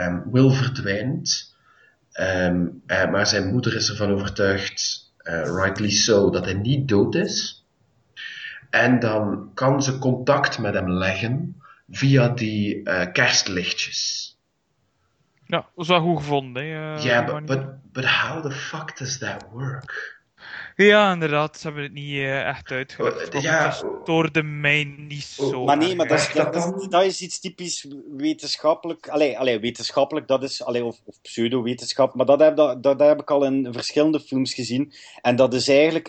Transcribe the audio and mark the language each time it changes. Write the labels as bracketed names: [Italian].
[Dutch] Will verdwijnt, maar zijn moeder is ervan overtuigd, [English] rightly so, [Dutch] dat hij niet dood is. En dan kan ze contact met hem leggen via die kerstlichtjes. Ja, dat is wel goed gevonden. [English] But how the fuck does that work? [Dutch] Ja, inderdaad, ze hebben het niet echt uitgelegd. Dat stoorde mij niet zo. Maar nee, maar dat is iets typisch wetenschappelijk. Allee, wetenschappelijk, dat is... Allee, of pseudo-wetenschap. Maar dat heb ik al in verschillende films gezien. En dat is eigenlijk...